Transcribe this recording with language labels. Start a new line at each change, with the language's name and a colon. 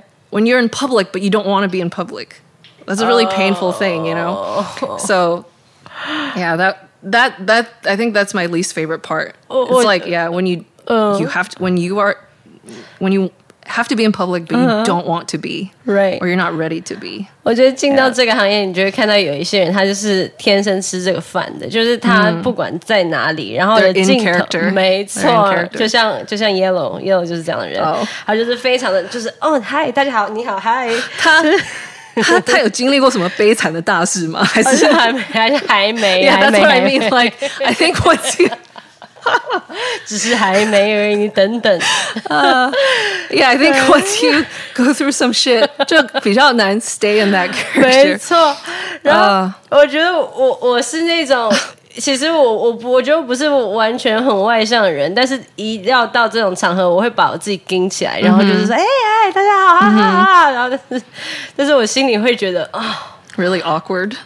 English: When you're in public, but you don't want to be in public. That's a really painful thing, you know? So, yeah, that, I think that's my least favorite part. It's like, yeah, when you have to be in public, but you don't want to be. Right. Or you're not ready to be.
Chinese: 我觉得进到这个行业，你就会看到有一些人，他就是天生吃这个饭的，就是他不管在哪里，然后的镜头
English: in character.
Chinese: 没错，就像 Yellow 就是这样的人，
English: oh.
Chinese: 他就是非常的，就是哦，嗨，大家好，你好，嗨，他有经历过什么悲惨的大事吗？还是还没
English: Yeah, that's what I mean. Like, I think once you.
Chinese: 只是还没而已，你等等。
English: Yeah, I think once you go through some shit,
Chinese: 就比较难
English: stay in that character.
Chinese: 没错。然后我觉得我是那种，其实我觉得不是完全很外向的人，但是一要到这种场合，我会把我自己撑起来，然后就是说，哎、mm-hmm. 哎、欸，大家好啊、mm-hmm. 然后但是我心里会觉得啊。
English: Really awkward.